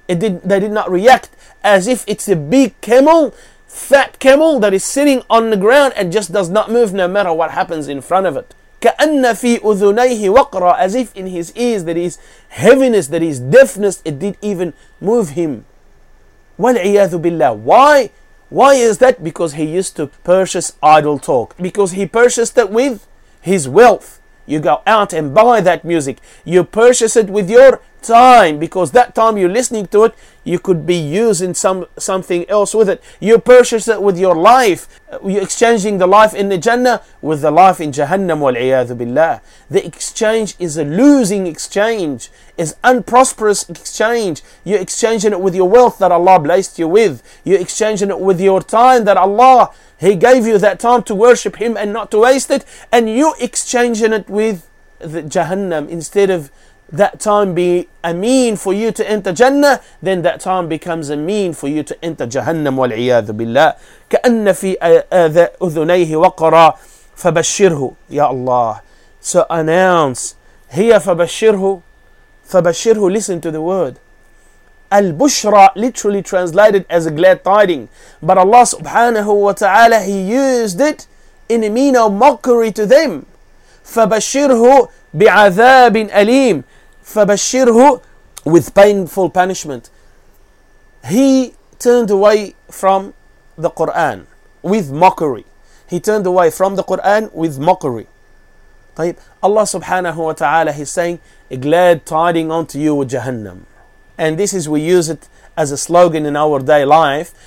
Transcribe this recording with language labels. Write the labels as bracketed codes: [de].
[en] They did not react as if it's a big camel, fat camel that is sitting on the ground and just does not move no matter what happens in front of it. [ar] كَأَنَّ فِي أُذُنَيْهِ وَقْرًا [en] As if in his ears there is heaviness, there is deafness, it did even move him. [ar] وَالْعِيَاذُ بِاللَّهِ [en] Why? Why is that? Because he used to purchase idle talk. Because he purchased it with his wealth. You go out and buy that music. You purchase it with your time. Because that time you're listening to it, you could be using something else with it. You purchase it with your life. You're exchanging the life in the Jannah with the life in Jahannam. [ar] وَالْعِيَاذُ بِاللَّهِ [en] The exchange is a losing exchange. It's unprosperous exchange. You're exchanging it with your wealth that Allah blessed you with. You're exchanging it with your time that Allah, He gave you that time to worship Him and not to waste it. And you're exchanging it with the Jahannam instead of that time be a mean for you to enter Jannah, then that time becomes a mean for you to enter Jahannam. [ar] وَالْعِيَاذُ بِاللَّهِ كَأَنَّ فِي أُذُنَيْهِ وَقْرًا فَبَشِّرْهُ Ya Allah, [en] so announce, [ar] هِيَ فَبَشِّرْهُ فَبَشِّرْهُ [en] Listen to the word. Al-Bushra literally translated as a glad tiding. But Allah subhanahu wa ta'ala, He used it in a mean of mockery to them. [ar] فَبَشِّرْهُ بِعَذَابٍ أَلِيمٍ فَبَشِّرْهُ [en] With painful punishment. He turned away from the Qur'an with mockery. He turned away from the Qur'an with mockery. طيب. Allah subhanahu wa ta'ala, He's saying, a glad tiding unto you with Jahannam. And this is, we use it as a slogan in our day life.